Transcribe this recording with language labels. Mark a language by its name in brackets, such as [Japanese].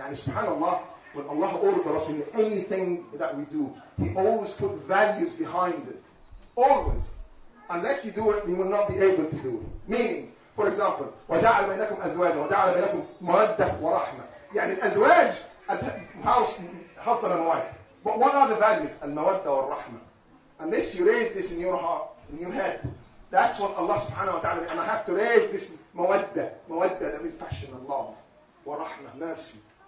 [English] And subhanAllah, when Allah ordered us in anything that we do, He always put values behind it. Always. Unless you do it, you will not be able to do it. Meaning, for example, [Arabic] وَجَعَلْ بَيْنَكُمْ أَزْوَاجًا وَجَعَلْ بَيْنَكُمْ مَوَدَّةً وَرَحْمَةً. يعني الأزواج [English] as house, husband and wife. But what are the values? [Arabic] المَوَدَّة وَالرَّحْمَةً. [English] Unless you raise this in your heart, in your head, that's what Allah subhanahu wa ta'ala, and I have to raise this مَوَدَّة, that means passion and love, وَرَحْمَةً, mercy.